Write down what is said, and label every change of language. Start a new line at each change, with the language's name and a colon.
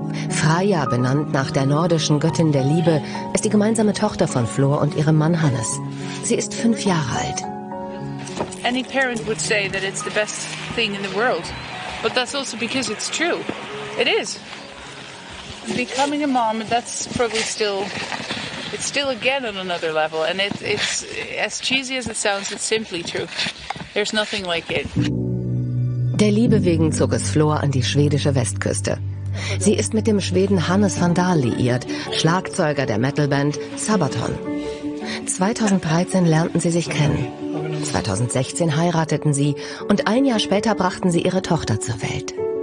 German: Freya, benannt nach der nordischen Göttin der Liebe, ist die gemeinsame Tochter von Flor und ihrem Mann Hannes. Sie ist 5 Jahre alt.
English: Any parent would say that it's the best thing in the world. But that's also because it's true. It is. Becoming a mom, that's probably still, it's still again on another level. And it's as cheesy as it sounds, it's simply true. There's nothing like it.
German: Der Liebe wegen zog es Flor an die schwedische Westküste. Sie ist mit dem Schweden Hannes van Dahl liiert, Schlagzeuger der Metalband Sabaton. 2013 lernten sie sich kennen. 2016 heirateten sie und ein Jahr später brachten sie ihre Tochter zur Welt.